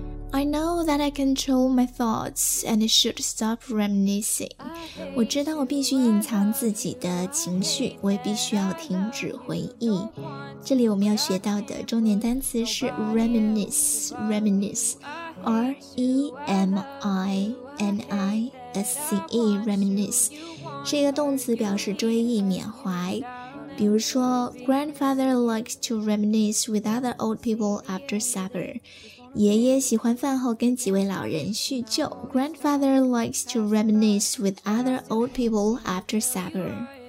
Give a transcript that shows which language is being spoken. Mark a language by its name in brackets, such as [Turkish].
[English] I know that I control my thoughts and I should stop reminiscing. [Chinese] 我知道我必须隐藏自己的情绪，我也必须要停止回忆。这里我们要学到的重点单词是 reminisce, R-E-M-I-N-I-S-C-E, reminisce 是一个动词，表示追忆、缅怀。比如说 [English] Grandfather likes to reminisce with other old people after supper. [Chinese] 爷爷喜欢饭后跟几位老人叙旧。 [English] Grandfather likes to reminisce with other old people after supper.